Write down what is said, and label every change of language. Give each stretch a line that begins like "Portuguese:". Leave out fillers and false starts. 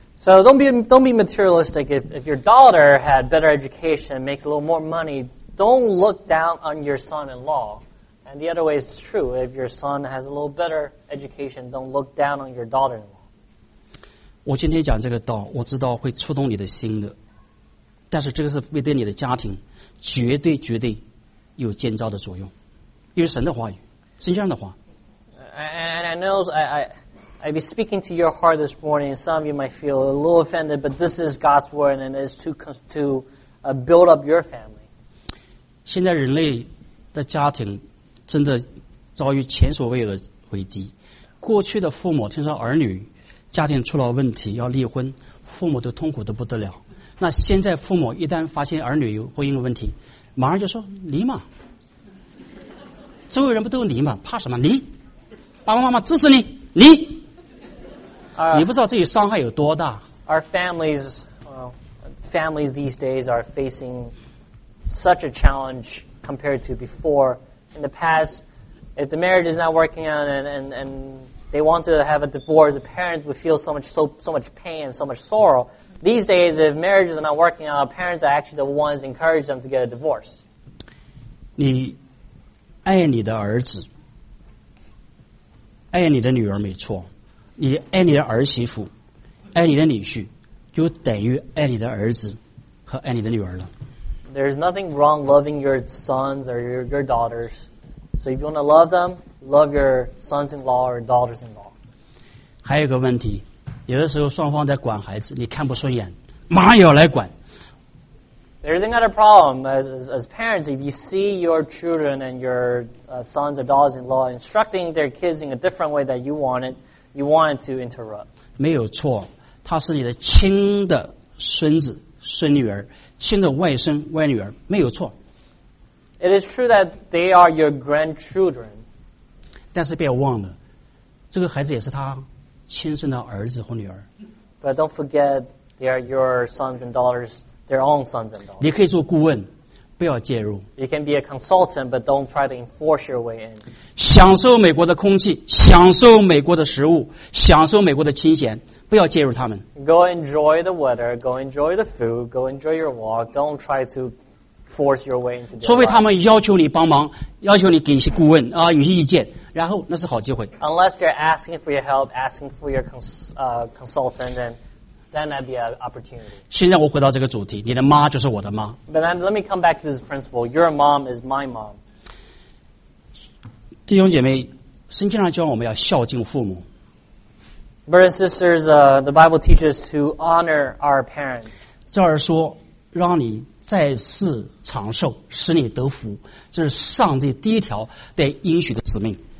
English: So don't be materialistic if your daughter had better education makes a little more money don't look down on your son-in-law and the other way is true if your son has a little better education don't look down on your daughter-in-law
Chinese: 我今天讲这个道我知道会触动你的心的但是这个是为对你的家庭绝对绝对有建造的作用，因为神的话语，圣经的话。
English: And I know I be speaking to your heart this morning. Some of you might feel a little offended, but this is God's word, and it's to build up your family.
Chinese: 现在人类的家庭真的遭遇前所未有的危机。过去的父母听说儿女家庭出了问题要离婚，父母都痛苦得不得了。那现在父母一旦发现儿女有婚姻的问题，马上就说离嘛，周围人不都离嘛，怕什么离？爸爸妈妈支持你，离。你不知道自己伤害有多大。
English: Our families, families these days are facing such a challenge compared to before. In the past, if the marriage is not working out and they want to have a divorce, the parents would feel so much pain and so much sorrow. These days, if marriages are not working out, parents are actually the ones encourage them to get a divorce.
Chinese: 你爱你的儿子，爱你的女儿没错，你爱你的儿媳妇，爱你的女婿，就等于爱你的儿子和爱你的女儿了。
English: There's nothing wrong loving your sons or your daughters. So if you want to love them, love your sons-in-law or daughters-in-law.
Chinese: 还有一个问题，有的时候双方在管孩子，你看不顺眼，马上也要来管。
English: There's another problem. As parents, if you see your children and your sons or daughters-in-law instructing their kids in a different way that you want to interrupt.
Chinese: 没有错，他是你的亲的孙子、孙女儿。亲的外孙外女儿没有错。
English: It is true that they are your grandchildren.
Chinese: 但是不要忘了，这个孩子也是他亲生的儿子或女儿。
English: But don't forget they are your sons and daughters, their own sons and daughters.
Chinese: 你可以做顾问，不要介入。
English: You can be a consultant, but don't try to enforce your way in.
Chinese: 享受美国的空气，享受美国的食物，享受美国的清闲。不要介入他们。
English: Go enjoy the weather, go enjoy the food, go enjoy your walk. Don't try to force your way into their life.
Chinese: 除非他们要求你帮忙，要求你给一些顾问啊，有些意见，然后那是好机会。
English: Unless they're asking for your help, asking for your consultant, then that'd be an opportunity.
Chinese: 现在我回到这个主题，你的妈就是我的妈。
English: But then let me come back to this principle. Your mom is my mom.
Chinese: 弟兄姐妹，圣经上教我们要孝敬父母。
English: Brothers and sisters, the Bible teaches to honor our parents.
Chinese: 这儿说，让你在世长寿，使你得福，这是上帝第一条对应许的使命。